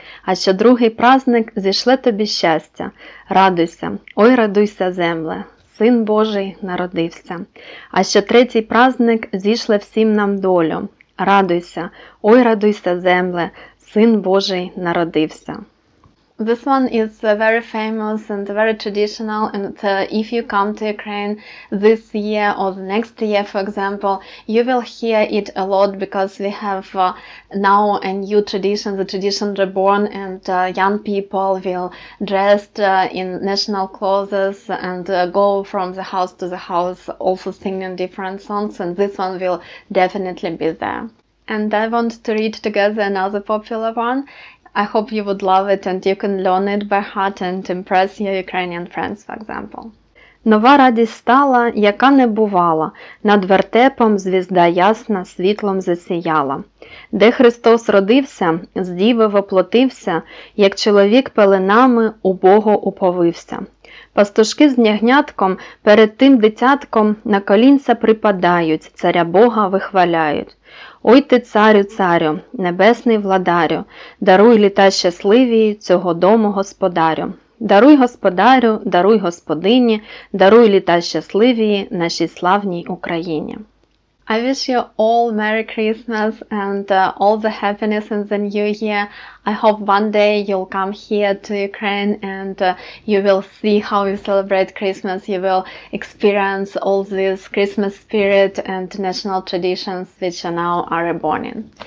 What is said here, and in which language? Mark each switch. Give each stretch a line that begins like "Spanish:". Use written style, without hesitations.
Ukrainian: А що другий празник – Зішле тобі щастя. Радуйся, ой, радуйся, земле, син Божий народився. А що третій празник – Зішле всім нам долю. Радуйся, ой, радуйся, земле, Син Божий народився.
English: This one is very famous and very traditional, and if you come to Ukraine this year or the next year, for example, you will hear it a lot because we have now a new tradition, the tradition reborn, and young people will dress in national clothes and go from the house to the house also singing different songs, and this one will definitely be there. And I want to read together another popular one. I hope you would love it and you can learn it by heart and impress your Ukrainian friends, for example.
Ukrainian: Нова радість стала, яка не бувала. Над вертепом звізда ясна світлом засіяла. Де Христос родився, з діви воплотився, як чоловік пеленами у Бога уповився. Пастушки з нягнятком перед тим дитятком на колінця припадають, царя Бога вихваляють. Ой ти царю, царю, небесний владарю, даруй літа щасливі цього дому господарю. Даруй господарю, даруй господині, даруй літа щасливі нашій славній Україні.
English: I wish you all Merry Christmas and all the happiness in the new year. I hope one day you'll come here to Ukraine and you will see how we celebrate Christmas. You will experience all this Christmas spirit and national traditions which are now are reborn in.